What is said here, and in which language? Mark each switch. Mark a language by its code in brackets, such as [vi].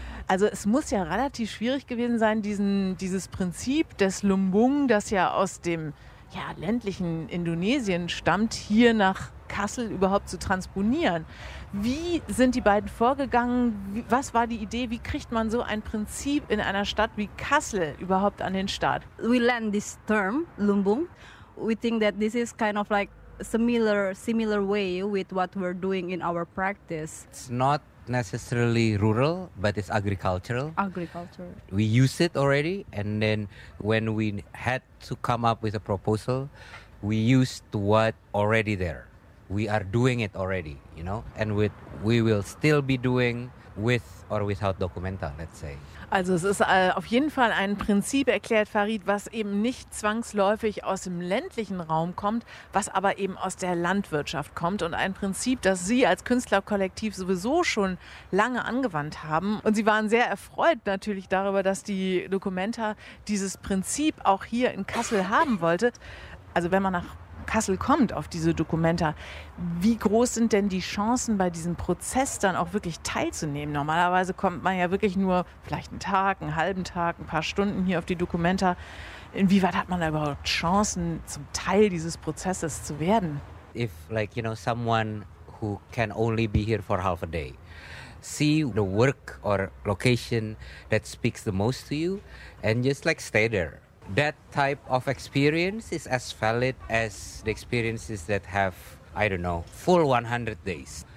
[de] Also es muss ja relativ schwierig gewesen sein, dieses Prinzip des Lumbung, das ja aus dem ländlichen Indonesien stammt, hier nach Kassel überhaupt zu transponieren. Wie sind die beiden vorgegangen? Was war die Idee? Wie kriegt man so ein Prinzip in einer Stadt wie Kassel überhaupt an den Start? [en] We learned this term, Lumbung. We think that this is kind of like similar way with what we're doing in our practice. It's not necessarily rural, but it's agricultural. Agriculture. We use it already, and then when we had to come up with a proposal, we used what already there. We are doing it already, you know, and we will still be doing with or without Documenta, let's say. [de] Also es ist auf jeden Fall ein Prinzip, erklärt Farid, was eben nicht zwangsläufig aus dem ländlichen Raum kommt, was aber eben aus der Landwirtschaft kommt, und ein Prinzip, das Sie als Künstlerkollektiv sowieso schon lange angewandt haben. Und Sie waren sehr erfreut natürlich darüber, dass die Documenta dieses Prinzip auch hier in Kassel haben wollte. Also wenn man nach Kassel kommt auf diese Documenta, wie groß sind denn die Chancen, bei diesem Prozess dann auch wirklich teilzunehmen? Normalerweise kommt man ja wirklich nur vielleicht einen Tag, einen halben Tag, ein paar Stunden hier auf die Documenta. Inwieweit hat man da überhaupt Chancen, zum Teil dieses Prozesses zu werden? [en] If like, you know, someone who can only be here for half a day, see the work or location that speaks the most to you and just like stay there. That type of experience is as valid as the experiences that have, I don't know, full 100 days.